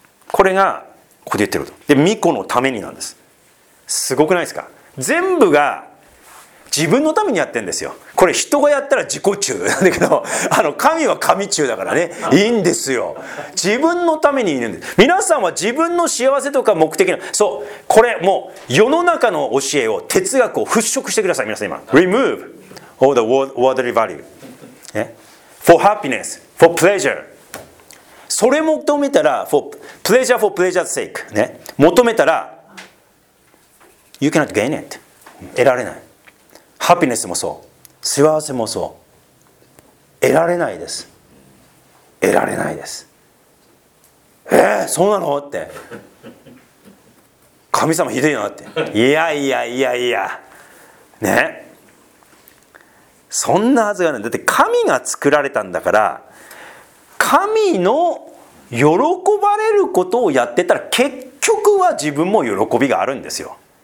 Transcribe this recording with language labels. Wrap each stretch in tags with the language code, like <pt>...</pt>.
<ja>これがここで言ってることで、巫女のためになんです。すごくないですか、全部が自分のためにやってんですよ。これ人がやったら自己中なんだけど、神は神中だからね、いいんですよ、自分のためにいるんです。皆さんは自分の幸せとか目的の、そう、これもう世の中の教えを、哲学を払拭してください皆さん。今</ja> <en>Remove all the worldly value for happiness, for pleasure</en> <ja>それ求めたら、</ja> <en>for pleasure's sake</en> <ja>ね、求めたら、</ja> <en>you cannot gain it。</en> <ja>得られない。ハピネスもそう、幸せもそう、得られないです。得られないです。そうなのって、神様ひどいなって、いやいやいやいやね、そんなはずがない。だって神が作られたんだから、神の喜ばれることをやってたら結局は自分も喜びがあるんですよ。</ja>